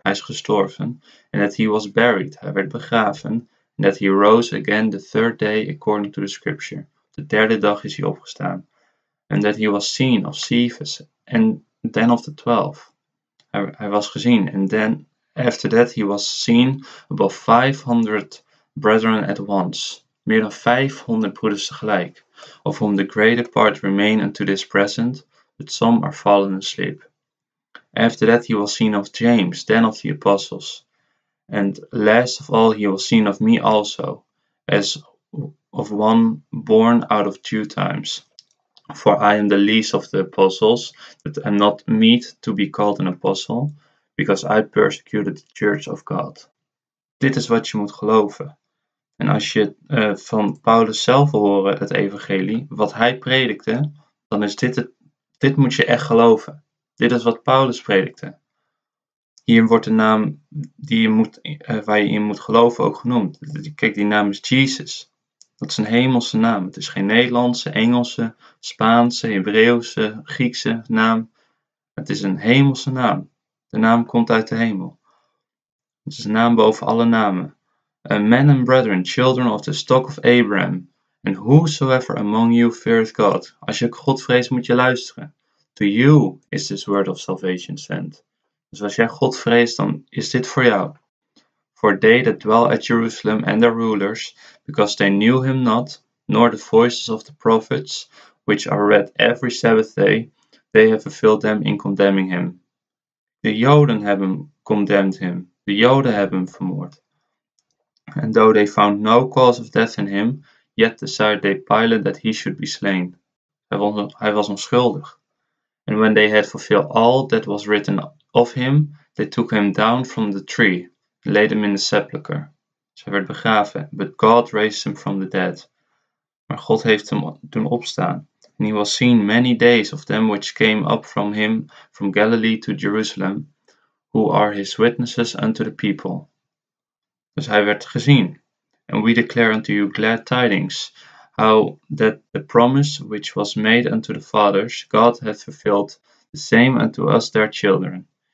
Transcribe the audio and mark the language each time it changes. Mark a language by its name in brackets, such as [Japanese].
[Dutch] Hij is gestorven, [English] and that he was buried, [Dutch] hij werd begraven, [English] and that he rose again the third day, according to the scripture. [Dutch] De derde dag is hij opgestaan, [English] and that he was seen of Cephas, and then of the 12. [Dutch] Hij was gezien. [English] And then, after that, he was seen above 500 brethren at once. [Dutch] Meer dan 500 broeders tegelijk. [English] Of whom the greater part remain unto this present, but some are fallen asleep. After that, he was seen of James, then of the apostles. And last of all, he was seen of me also, as of one born out of due times. For I am the least of the apostles, that am not meet to be called an apostle, because I persecuted the church of God. [Dutch] Dit is wat je moet geloven. En als je van Paulus zelf horen het evangelie, wat hij predikte, dan is dit moet je echt geloven. Dit is wat Paulus predikte. Hier wordt de naam die je moet, waar je in moet geloven ook genoemd. Kijk, die naam is Jesus. Dat is een hemelse naam. Het is geen Nederlandse, Engelse, Spaanse, Hebreeuwse, Griekse naam. Het is een hemelse naam. De naam komt uit de hemel. Het is een naam boven alle namen. [English] A men and brethren, children of the stock of Abraham, and whosoever among you feareth God. [Dutch] Als je God vreest, moet je luisteren. [English] To you is this word of salvation sent. [Dutch] Dus als jij God vreest, dan is dit voor jou. [English] For they that dwell at Jerusalem and their rulers, because they knew him not, nor the voices of the prophets, which are read every Sabbath day, they have fulfilled them in condemning him. [Dutch] De Joden hebben [English] condemned him. [Dutch] De Joden hebben hem vermoord. [English] And though they found no cause of death in him, yet desired they Pilate that he should be slain. [Dutch] Hij was onschuldig. [English] And when they had fulfilled all that was written of him, they took him down from the tree. Laid him in the sepulchre. [Dutch] Ze werd begraven. [English] But God raised him from the dead. [Dutch] Maar God heeft hem doen opstaan. [English] And he was seen many days of them which came up from him from Galilee to Jerusalem, who are his witnesses unto the people. [Dutch] Dus hij werd gezien. [English] And we declare unto you glad tidings, how that the promise which was made unto the fathers, God hath fulfilled the same unto us their children.